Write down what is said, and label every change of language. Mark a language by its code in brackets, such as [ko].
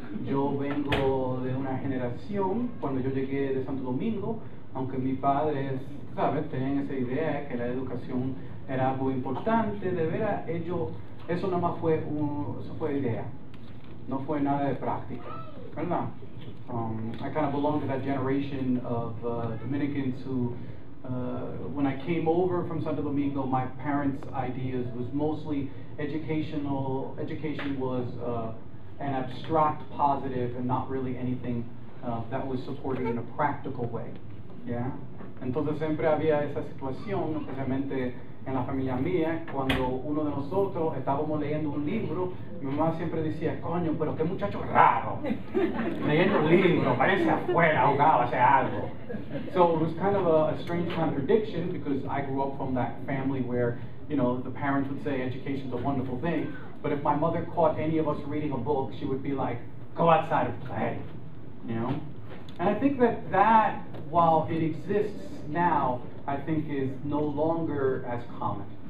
[es] Yo vengo de una generación, cuando yo llegué de Santo Domingo, aunque mis padres, ¿sabes?, tenían esa idea que la educación era algo importante, de veras, eso nada más fue eso fue idea, no fue nada de práctica, ¿verdad? [en] I kind of belong to that generation of Dominicans who, when I came over from Santo Domingo, my parents' ideas was mostly education was an abstract positive and not really anything that was supported in a practical way. Yeah. [es] Entonces siempre había esa situación, especialmente en la familia mía, cuando uno de nosotros estábamos leyendo un libro, mi mamá siempre decía, coño, pero qué muchacho raro, leyendo un libro, parece afuera, ahogado, hace algo. [en] So it was kind of a strange contradiction, because I grew up from that family where, you know, the parents would say education's a wonderful thing, but if my mother caught any of us reading a book, she would be like, go outside and play, you know? And I think that, while it exists now, I think is no longer as common.